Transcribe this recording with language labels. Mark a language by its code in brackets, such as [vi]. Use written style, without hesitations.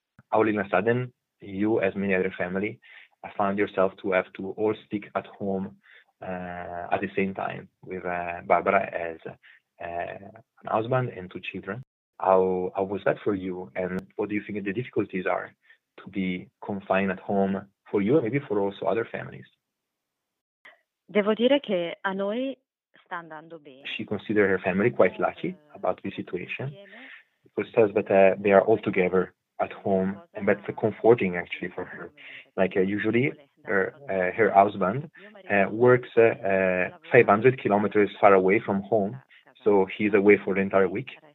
[en] All in a sudden, you, as many other family, found yourself to have to all stick at home at the same time with Barbara as an husband and two children. How was that for you? And what do you think the difficulties are to be confined at home for you and maybe for also other families? [it] Devo dire che a noi sta andando bene. [en] She considered her family quite lucky about the situation, because says that they are all together at home, and that's comforting actually for her. Like usually her husband works 500 kilometers far away from home, so he's away for the entire week.